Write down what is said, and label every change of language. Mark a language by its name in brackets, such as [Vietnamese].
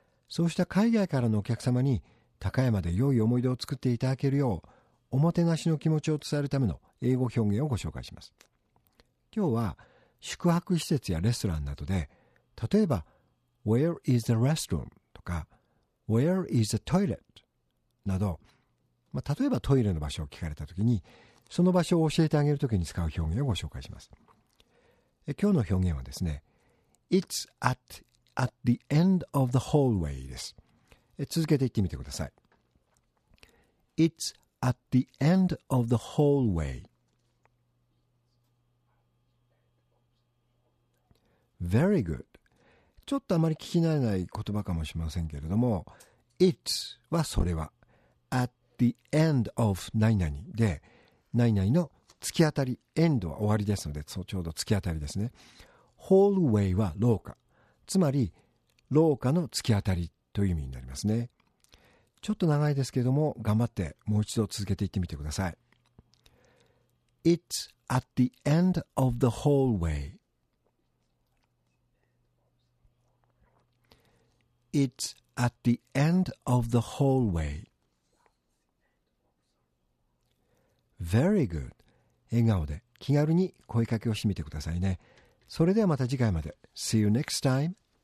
[Japanese] そうした海外からのお客様に高山で良い思い出を作っていただけるよう、おもてなしの気持ちを伝えるための英語表現をご紹介します。今日は宿泊施設やレストランなどで、例えば [English] Where is the restroom? とか Where is the toilet? [Japanese] など、例えばトイレの場所を聞かれたときに、その場所を教えてあげるときに使う表現をご紹介します。今日の表現はですね、 [English] It's at the end of the hallway [Japanese] です。続けて言ってみてください。 [English] It's at the end of the hallway. Very good. [Japanese] ちょっとあまり聞き慣れない言葉かもしれませんけれども、It's はそれは、atThe end of 何々で、何々の突き当たり、end は終わりですので、ちょうど突き当たりですね。 hallway は廊下。つまり、廊下の突き当たりという意味になりますね。ちょっと長いですけれども、頑張ってもう一度続けていってみてください。 [English] It's at the end of the hallway.It's at the end of the hallway. Very good. [Japanese] 笑顔で気軽に声かけをしてみてくださいね。それではまた次回まで。 [English] See you next time.